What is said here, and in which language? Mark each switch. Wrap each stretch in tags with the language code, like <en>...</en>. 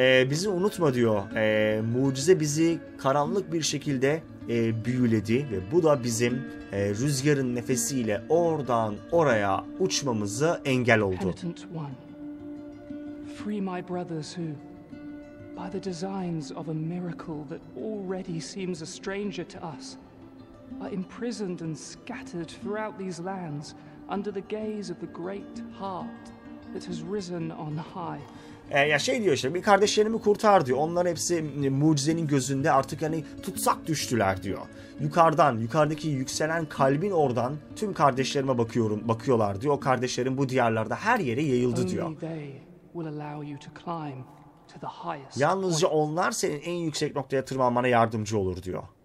<tr>Bizi unutma diyor. Mucize bizi karanlık bir şekilde büyüledi. Ve bu da bizim rüzgarın nefesiyle oradan oraya uçmamızı engel oldu.</tr> <en>Penitent One. Free my brothers who... By the designs of a miracle that already seems a stranger to us, are imprisoned and scattered throughout these lands under the gaze of the great heart that has risen on high.</en> <tr>Ya şey diyor işte, bir kardeşlerimi kurtar diyor. Onların hepsi mucizenin gözünde artık hani tutsak düştüler diyor. Yukarıdan, yukarıdaki yükselen kalbin oradan tüm kardeşlerime bakıyorum, bakıyorlar diyor. O kardeşlerim bu diyarlarda her yere yayıldı diyor.</tr> <en>Only they will allow you to climb.</en> <tr>Yalnızca onlar senin en yüksek noktaya tırmanmana yardımcı olur diyor.</tr>